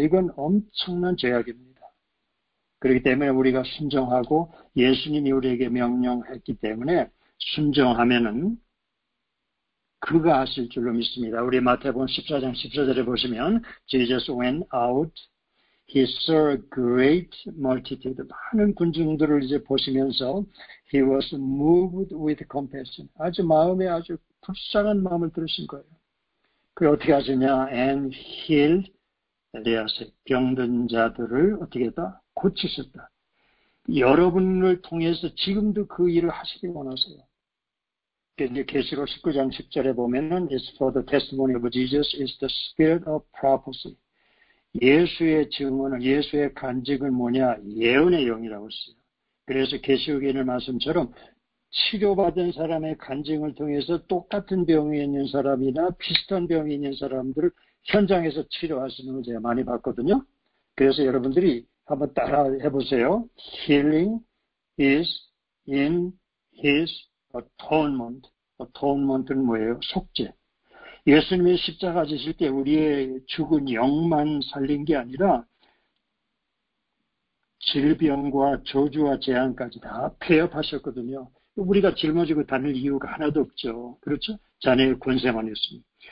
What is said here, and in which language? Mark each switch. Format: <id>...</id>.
<ko>이건 엄청난 죄악입니다. 그렇기 때문에 우리가 순종하고 예수님이 우리에게 명령했기 때문에 순종하면은 그가 하실 줄로 믿습니다. 우리 마태복음 14장 14절에 보시면</ko> <en>Jesus went out. He saw a great multitude.</en> <ko>많은 군중들을 이제 보시면서</ko> <en>he was moved with compassion.</en> <ko>아주 마음에 아주 불쌍한 마음을 들으신 거예요. 그걸 어떻게 하시냐?</ko> <en>And healed their sick.</en> <ko>병든 자들을 어떻게 했다? 고치셨다. 여러분을 통해서 지금도 그 일을 하시길 원하세요. 계시록 19장 10절에 보면은</ko> <en>It's for the testimony of Jesus is the spirit of prophecy.</en> <ko>예수의 증언을, 예수의 간증은 뭐냐? 예언의 영이라고 했어요. 그래서 계시록에 있는 말씀처럼 치료받은 사람의 간증을 통해서 똑같은 병이 있는 사람이나 비슷한 병이 있는 사람들을 현장에서 치료하시는 걸 제가 많이 봤거든요. 그래서 여러분들이 한번 따라해 보세요.</ko> <en>Healing is in His atonement.</en> <ko>Atonement은 뭐예요? 속죄. 예수님의 십자가 지실 때 우리의 죽은 영만 살린 게 아니라 질병과 저주와 재앙까지 다 폐업하셨거든요. 우리가 짊어지고 다닐 이유가 하나도 없죠. 그렇죠? 자네의 권세만 있습니다.</ko>